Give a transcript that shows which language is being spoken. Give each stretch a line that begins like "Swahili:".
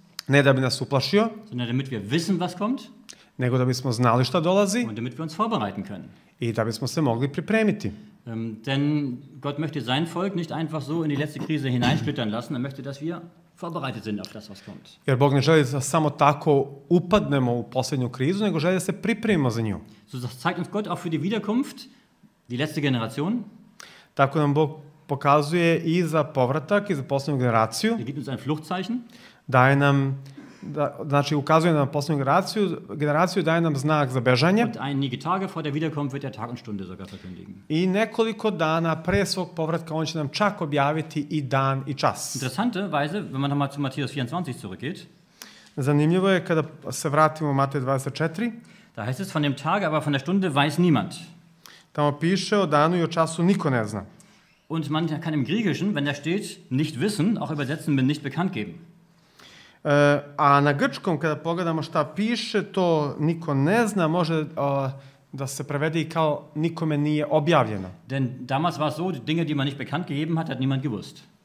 Serbian: Ne da bi nas uplašio.
German: Sondern damit wir wissen, was kommt.
Serbian: Nego da bismo znali šta dolazi.
German: Und damit wir uns vorbereiten können.
Serbian: I da bismo se mogli pripremiti.
German: Denn Gott möchte sein Volk nicht einfach so in die letzte Krise hineinsplittern lassen. Er möchte, dass wir vorbereitet sind auf das, was kommt.
Serbian: Jer Bog ne želi da samo tako upadnemo u poslednju krizu, nego želi da se pripremimo za nju.
German: So das zeigt uns Gott auch für die Wiederkunft, die letzte Generation.
Serbian: Tako nam Bog pokazuje i za povratak i za poslednju generaciju.
German: Er gibt uns ein Fluchtzeichen.
Serbian: Daje nam, znači ukazuje nam poslednju generaciju, daje nam znak za bežanje.
German: Und einige Tage vor der Wiederkunft wird er Tag und Stunde sogar verkündigen.
Serbian: I nekoliko dana pre svog povratka on će nam čak objaviti i dan i čas.
German: Interessanterweise, wenn man nochmal zu Matthäus 24 zurückgeht.
Serbian: Zanimljivo je kada se vratimo u Matej 24.
German: Da heißt es von dem Tag, aber von der Stunde weiß niemand.
Serbian: Tamo piše o danu i o času niko ne zna.
German: Und man kann im Griechischen, wenn da steht, nicht wissen, auch übersetzen mit nicht bekannt geben.
Serbian: A na grčkom, kada pogledamo šta piše, to niko ne zna, može da se prevede i kao nikome nije objavljeno.
German: Denn damals war es so, die Dinge, die man nicht bekannt gegeben hat, hat niemand gewusst.